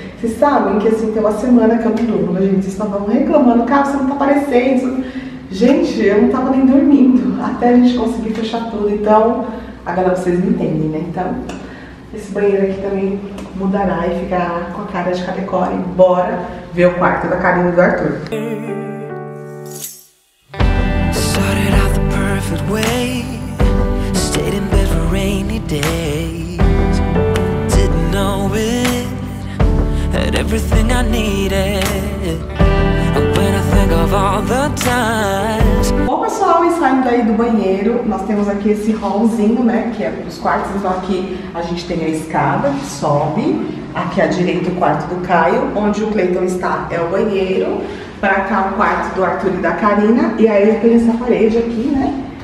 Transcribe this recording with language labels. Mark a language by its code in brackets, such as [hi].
[pt] Vocês sabem que assim, tem uma semana que eu não durmo, gente, vocês estão reclamando, cara, você não tá aparecendo. Gente, eu não tava nem dormindo, até a gente conseguir fechar tudo, então, agora vocês me entendem, né, então... Esse banheiro aqui também mudará e ficará com a cara de Calecora. Bora ver o quarto da Karine e do Arthur. [en] Started out the perfect way. Stayed in bed for rainy days. Didn't know it. Had everything I needed. When I think of all the times. [pt] Bom, pessoal, e saindo aí do banheiro, nós temos aqui esse hallzinho, né? Que é para os quartos. Então aqui a gente tem a escada que sobe. Aqui à direita o quarto do Caio. Onde o Cleiton está é o banheiro. Pra cá o quarto do Arthur e da Karina. E aí tem essa parede aqui, né?